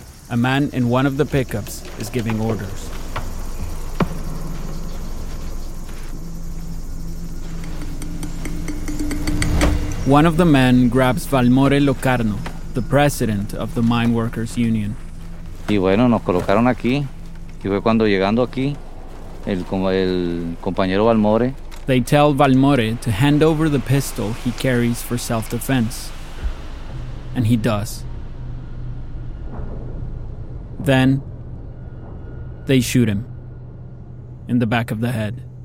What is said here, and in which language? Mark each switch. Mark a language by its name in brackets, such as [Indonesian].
[English] A man in one of the pickups is giving orders. One of the men grabs Valmore Locarno, the president of the mine workers' union. [Spanish] Y bueno, nos colocaron aquí. Y fue cuando llegando aquí, el compañero Valmore. [English] They tell Valmore to hand over the pistol he carries for self-defense. And he does. Then, they shoot him in the back of the head.